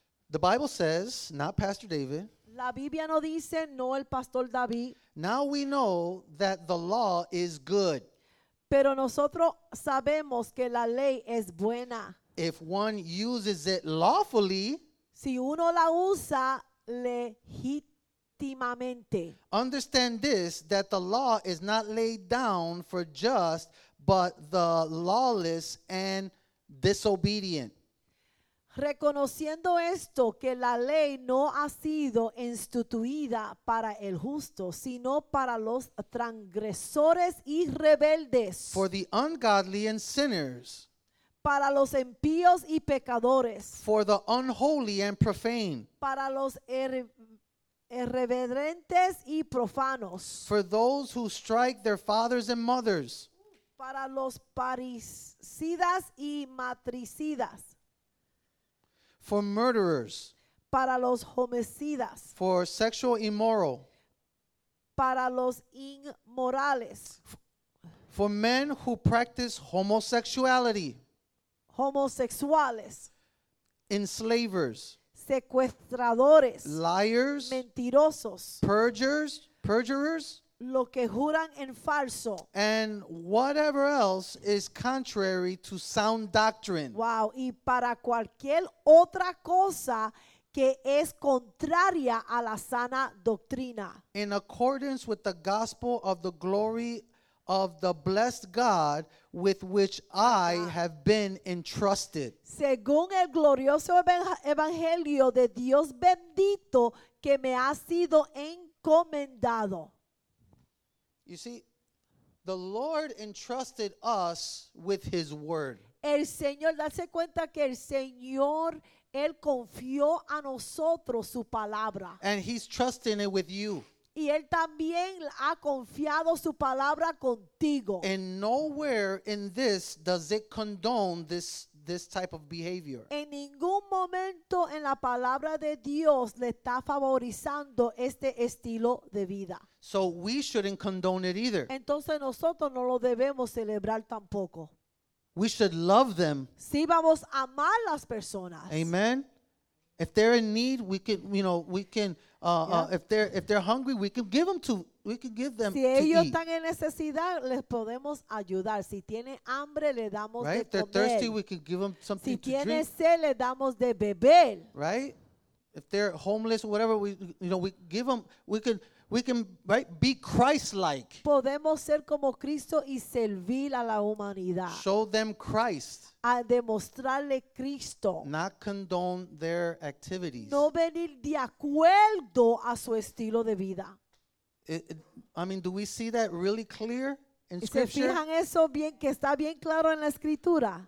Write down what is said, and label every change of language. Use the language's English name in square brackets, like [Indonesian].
[English] The Bible says, not Pastor David. [Spanish] La Biblia no dice, no el Pastor David. [English] Now we know that the law is good. [Spanish] Pero nosotros sabemos que la ley es buena. [English] If one uses it lawfully, [Spanish] si uno la usa legítimamente. [English] Understand this, that the law is not laid down for just, but the lawless and disobedient. [Spanish] Reconociendo esto, que la ley no ha sido instituida para el justo, sino para los transgresores y rebeldes. [English] For the ungodly and sinners. [Spanish] Para los impíos y pecadores. [English] For the unholy and profane. [Spanish] Para los irreverentes y profanos. [English] For those who strike their fathers and mothers. [Spanish] Para los parricidas y matricidas. [English] For murderers. [Spanish] Para los homicidas. [English] For sexual immoral. [Spanish] Para los inmorales. [English] For men who practice homosexuality. [Spanish] Homosexuales. [English] Enslavers. [Spanish] Secuestradores. [English] Liars. [Spanish] Mentirosos. [English] Perjurers. [Spanish] Lo que juran en falso. [English] And whatever else is contrary to sound doctrine. [Spanish] Wow, y para cualquier otra cosa que es contraria a la sana doctrina. [English] In accordance with the gospel of the glory of the blessed God with which I have been entrusted. [Spanish] Según el glorioso evangelio de Dios bendito que me ha sido encomendado. [English] You see, The Lord entrusted us with his word. [Spanish] El Señor, dase cuenta que el Señor, él confió a nosotros su palabra. [English] And he's trusting it with you. [Spanish] Y él también ha confiado su palabra contigo. [English] And nowhere in this does it condone this type of behavior. [Spanish] En ningún momento en la palabra de Dios le está favorizando este estilo de vida. [English] So we shouldn't condone it either. [Spanish] Entonces nosotros no lo debemos celebrar tampoco. [English] We should love them. [Spanish] Sí, vamos a amar las personas. [English] Amen. If they're in need, we can, you know, we can. If they're hungry, we can give them to. We can give them. [Spanish] Si ellos están en necesidad, les podemos ayudar. Si tiene hambre, le damos de comer. [English] Right. If they're thirsty, we can give them something to drink. [Spanish] Si tiene sed, le damos de beber. [English] Right. If they're homeless or whatever, we give them. We can be Christ-like. [Spanish] Podemos ser como Cristo y servir a la humanidad. [English] Show them Christ. [Spanish] A demostrarle Cristo. [English] Not condone their activities. [Spanish] No venir de acuerdo a su estilo de vida. [English] Do we see that really clear in [Spanish] ¿Se [English] Scripture? [Spanish] ¿Se fijan eso bien, que está bien claro en la Escritura?